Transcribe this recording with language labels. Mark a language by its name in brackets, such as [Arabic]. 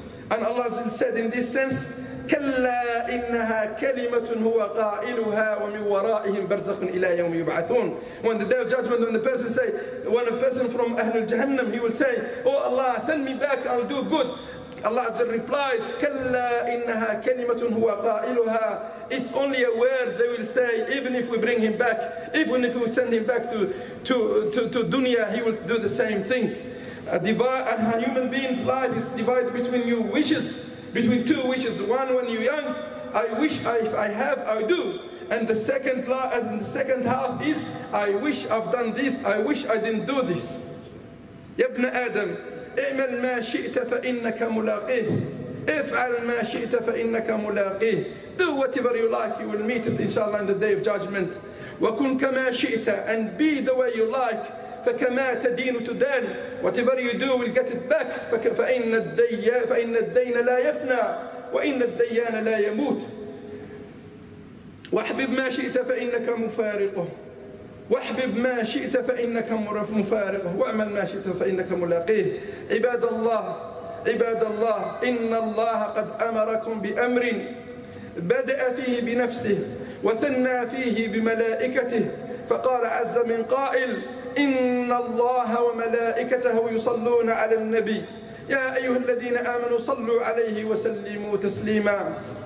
[English] And Allah said in this sense, [Arabic] كلا إنها كلمة هو قائلها ومن ورائهم برزخ إلى يوم يبعثون. [English] When the day of judgment, when a person from [Arabic] أهل الجهنم, [English] he will say, oh Allah, send me back, I'll do good. Allah Azza replies, [Arabic] كلا إنها كلمة هو قائلها. [English] It's only a word they will say, even if we bring him back, even if we send him back to dunya, he will do the same thing. A human being's life is divided between your wishes. Between two wishes, one when you're young, I wish I do. And the second half is, I wish I've done this, I wish I didn't do this. [Arabic] يبن آدم, اعمل ما شئت فإنك ملاقيه. افعل ما شئت فإنك ملاقيه. [English] Do whatever you like, you will meet it inshallah in the day of judgment. [Arabic] وكن كما شئت, [English] and be the way you like. [Arabic] فكما تدين تدان. [English] Whatever you do will get it back. [Arabic] فإن الدين لا يفنى وإن الديان لا يموت. واحبب ما شئت فإنك مفارقه. واحبب ما شئت فإنك مفارقه. واعمل ما شئت فإنك ملاقيه. عباد الله إن الله قد أمركم بأمر بدأ فيه بنفسه وثنى فيه بملائكته فقال عز من قائل إن الله وملائكته يصلون على النبي يا أيها الذين آمنوا صلوا عليه وسلموا تسليما.